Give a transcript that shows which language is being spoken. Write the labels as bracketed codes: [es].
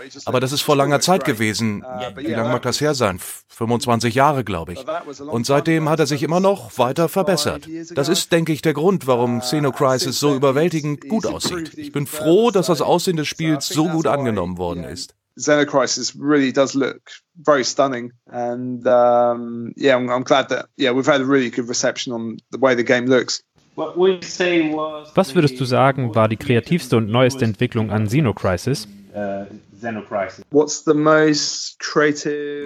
[de] Aber das ist vor langer Zeit gewesen. Wie lange mag das her sein? 25 Jahre, glaube ich. Und seitdem hat er sich immer noch weiter verbessert. Das ist, denke ich, der Grund, warum Xenocrisis so überwältigend gut aussieht. Ich bin froh, dass das Aussehen des Spiels so gut angenommen worden ist. [en] Xenocrisis really does look very stunning, and I'm glad that we've had a really good reception on the way the game looks. [de] Was würdest du sagen, war die kreativste und neueste Entwicklung an Xenocrisis? [en] What's the most creative?